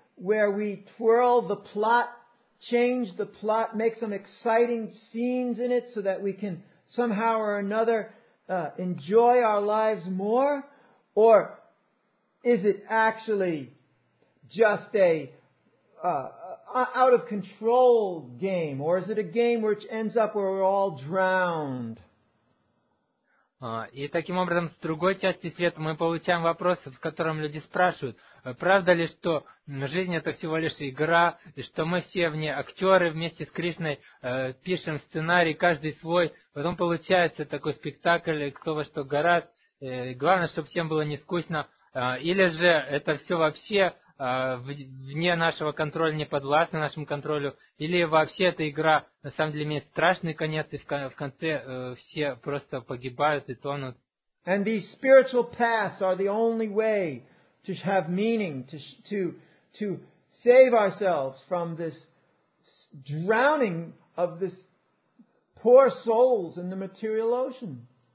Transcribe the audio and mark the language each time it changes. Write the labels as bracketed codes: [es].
[en] where we twirl the plot, change the plot, make some exciting scenes in it so that we can somehow or another enjoy our lives more? Or is it actually just a out of control game? Or is it a game which ends up where we're all drowned? [ru] И таким образом, с другой части света мы получаем вопросы, в котором люди спрашивают, правда ли, что жизнь это всего лишь игра, и что мы все в ней актеры вместе с Кришной пишем сценарий, каждый свой, потом получается такой спектакль, кто во что горазд, главное, чтобы всем было не скучно, или же это все вообще вне нашего контроля, не подвластно нашему контролю, или вообще эта игра на самом деле имеет страшный конец, и в конце все просто погибают и тонут. [en] And these spiritual paths are the only way to have meaning, to save ourselves from this drowning of this poor souls in the material ocean.